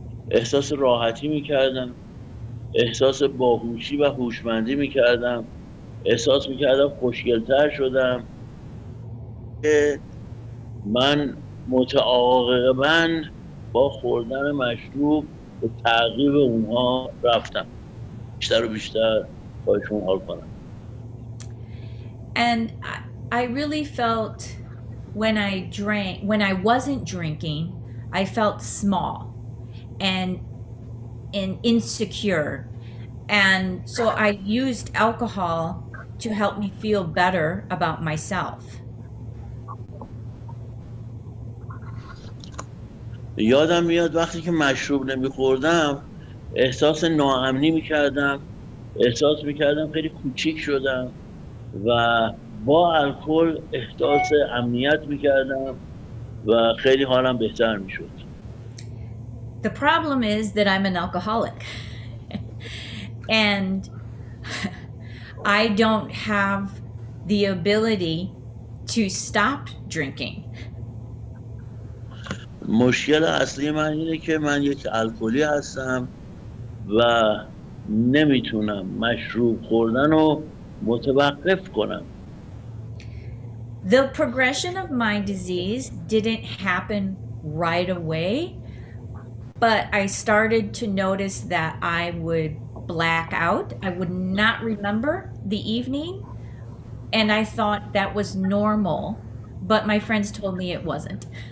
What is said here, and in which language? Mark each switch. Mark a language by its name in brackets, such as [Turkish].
[Persian] احساس راحتی میکردم، احساس باهوشی و هوشمندی میکردم، احساس میکردم خوشگلتر شدم، که من متعاقبا با خوردن مشروب به تعقیب اونها رفتم بیشتر و بیشتر باشون حال کنم. [English] And I really felt when I drank, when I wasn't drinking, I felt small and insecure. And so I used alcohol to help me feel better about myself. [Persian] یادم میاد وقتی که مشروب نمیخوردم احساس ناامنی میکردم، احساس میکردم خیلی کوچیک شدم و با الکل احساس امنیت میکردم و خیلی حالم بهتر میشد. [English] The problem is that I'm an alcoholic and I don't have the ability to stop drinking. [Persian] مشکل اصلی من اینه که من یک الکلی هستم و نمیتونم مشروب خوردن رو متوقف کنم. [English] The progression of my disease didn't happen right away, but I started to notice that I would black out. I would not remember the evening, and I thought that was normal, but my friends told me it wasn't.